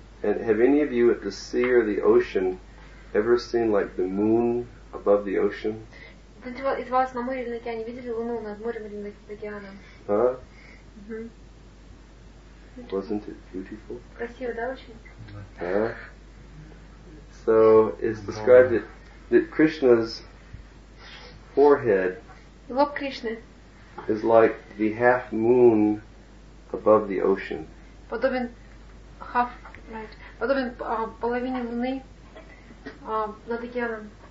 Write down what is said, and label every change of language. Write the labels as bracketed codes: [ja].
[en] And have any of you at the sea or the ocean ever seen like the moon above the ocean? [ru] Из вас на море или на океане видели луну над морем или над океаном? А? [en] Wasn't it beautiful? [ru] Красиво, да, очень? А? [en] So it's described that Krishna's forehead [ru] лоб Кришны [en] is like the half moon above the ocean. [ru] Подобен [en] half, right? [ru] Подобен половине луны над океаном.